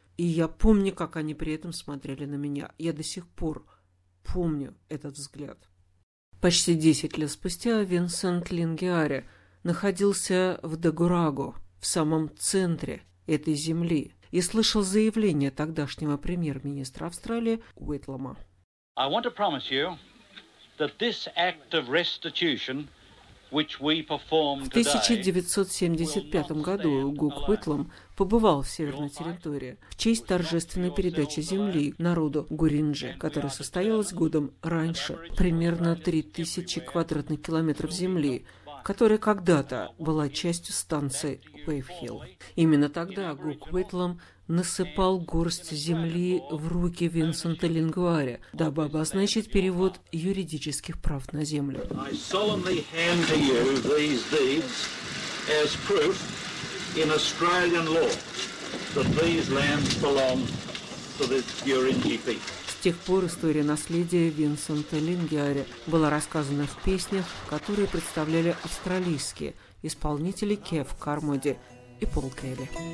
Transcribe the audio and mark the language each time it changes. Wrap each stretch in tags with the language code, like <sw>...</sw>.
<ru>И я помню, как они при этом смотрели на меня. Я до сих пор помню этот взгляд. Почти 10 лет спустя Винсент Лингиари находился в Дагурагу, в самом центре этой земли, и слышал заявление тогдашнего премьер-министра Австралии Уитлама.</ru> <en>I want to promise you that this act of restitution, which we performed today,</en> <ru>в 1975 году Гук Уитлам побывал в Северной территории в честь торжественной передачи земли народу Гуринджи, которая состоялась годом раньше, примерно 3000 квадратных километров земли, которая когда-то была частью станции Вейвхилл. Именно тогда Гук Уитлам насыпал горсть земли в руки Винсента Лингиари, дабы обозначить перевод юридических прав на землю.</ru> <en>I solemnly hand to you these deeds as proof in Australian law that these lands belong to the Gurindji people.</en> <ru>С тех пор история наследия Винсента Лингиари была рассказана в песнях, которые представляли австралийские исполнители Кев Кармоди и Пол Келли.</ru>